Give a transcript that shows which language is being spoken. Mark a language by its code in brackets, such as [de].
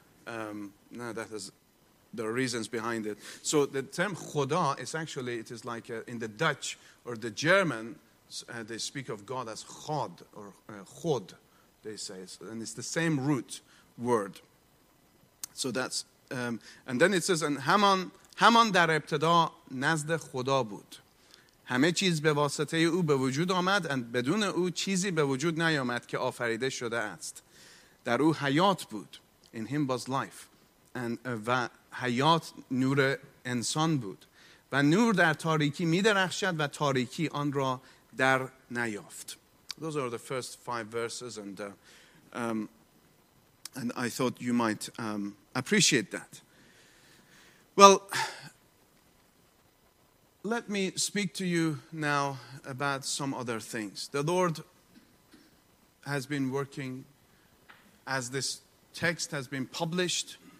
[en] Now that is, there are reasons behind it. So the term Khoda is actually, it is like in the Dutch or the German, they speak of God as God or Chod, they say. And it's the same root word. So that's, and then it says, and Haman [fa] در ابتدا نزد خدا بود. همه چیز به واسطه او به وجود آمد و بدون او چیزی به وجود نیامد که آفریده شده است. در او حیات بود. [en] In him was life. [fa] And و حیات نور انسان بود. و نور در تاریکی می درخشد و تاریکی آن را در نیافت. [en] Those are the first five verses and I thought you might appreciate that. Well, let me speak to you now about some other things. The Lord has been working as this text has been published.